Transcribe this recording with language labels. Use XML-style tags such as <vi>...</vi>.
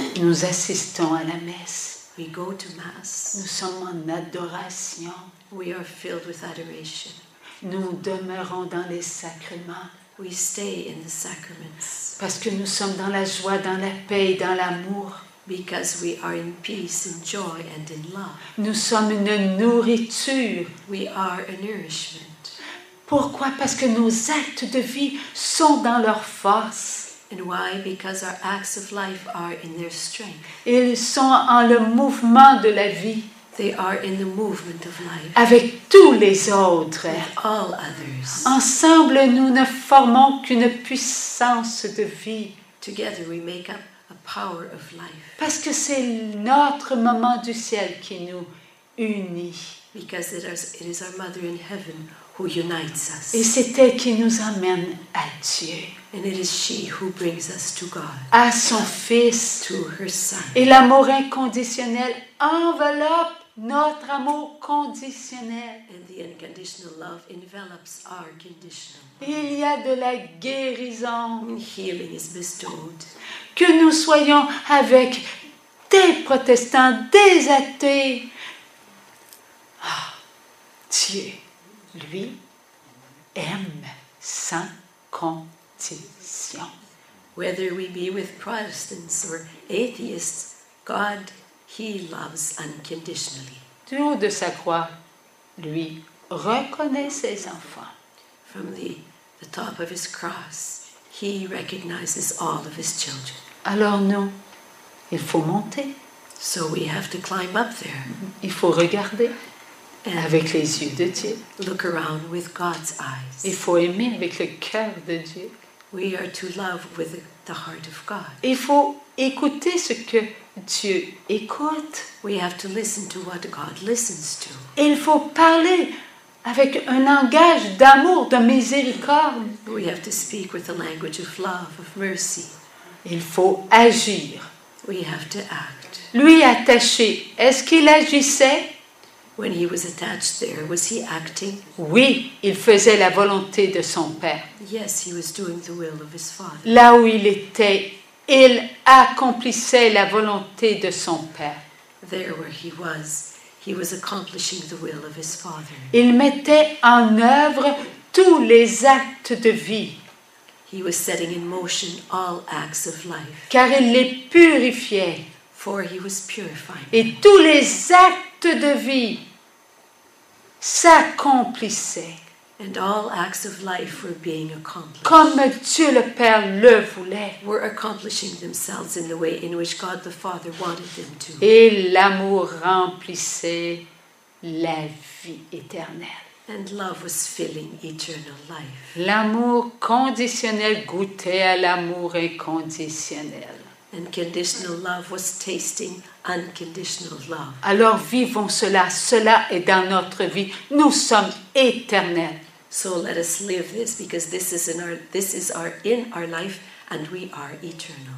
<fr>Nous assistons à la messe.</fr> <en>We go to mass.</en> <fr>Nous sommes en adoration.</fr> <en>We are filled with adoration.</en> <fr>Nous demeurons dans les sacrements.</fr> <en>We stay in the sacraments.</en> <fr>Parce que nous sommes dans la joie, dans la paix et dans l'amour.</fr> <en>Because we are in peace, in joy, and in love.</en> <fr>Nous sommes une nourriture.</fr> <en>We are a nourishment.</en> <fr>Pourquoi? Parce que nos actes de vie sont dans leur force.</fr> <en>And why? Because our acts of life are in their strength.</en> <fr>Ils sont en le mouvement de la vie.</fr> <en>They are in the movement of life.</en> <fr>Avec tous les autres.</fr> <en>With all others.</en> <fr>Ensemble, nous ne formons qu'une puissance de vie.</fr> <en>Together, we make up a power of life.</en> <fr>Parce que c'est notre maman du ciel qui nous unit.</fr> <en>Because it is our mother in heaven who unites us.</en> <fr>Et c'est elle qui nous amène à Dieu.</fr> <en>And it is she who brings us to God.</en> <fr>À son fils.</fr> <en>To her son.</en> <fr>Et l'amour inconditionnel enveloppe notre amour conditionnel.</fr> <en>And the unconditional love envelops our conditional love.</en> <fr>Il y a de la guérison.</fr> <en>And healing is bestowed.</en> <fr>Que nous soyons avec des protestants, des athées. Oh, Dieu, lui, aime sans condition.</fr> <en>Whether we be with Protestants or atheists, God, he loves unconditionally.</en> <fr>Du haut de sa croix, lui reconnaît ses enfants.</fr> <en>From the top of his cross, he recognizes all of his children.</en> <fr>Alors nous, il faut monter.</fr> <en>So we have to climb up there.</en> <fr>Il faut regarder. And avec les yeux de Dieu.</fr> <en>Look around with God's eyes.</en> <fr>Il faut aimer avec le cœur de Dieu.</fr> <en>We are to love with the heart of God.</en> <fr>Il faut écouter ce que Dieu écoute.</fr> <en>We have to listen to what God listens to.</en> <fr>Il faut parler avec un langage d'amour, de miséricorde.</fr> <en>We have to speak with a language of love, of mercy.</en> <fr>Il faut agir.</fr> <en>We have to act.</en> <fr>Lui attaché, est-ce qu'il agissait?</fr> <en>When he was attached there, was he acting?</en> <fr>Oui, il faisait la volonté de son père.</fr> <en>Yes, he was doing the will of his father.</en> <fr>Là où il était, il accomplissait la volonté de son père.</fr> <en>There where he was accomplishing the will of his father.</en> <fr>Il mettait en œuvre tous les actes de vie.</fr> <en>He was setting in motion all acts of life.</en> <fr>Car il les purifiait.</fr> <en>For he was purifying.</en> <fr>Et tous les actes de vie s'accomplissaient.</fr> <en>And all acts of life were being accomplished.</en> <fr>Comme Dieu le Père le voulait.</fr> <en>Were accomplishing themselves in the way in which God the Father wanted them to.</en> <fr>Et l'amour remplissait la vie éternelle.</fr> <en>And love was filling eternal life.</en> <fr>L'amour conditionnel goûtait à l'amour inconditionnel.</fr> <en>And conditional love was tasting unconditional love.</en> <fr>Alors vivons cela. Cela est dans notre vie. Nous sommes éternels.</fr> <en>So let us live this because this is in our life and we are eternal.</en>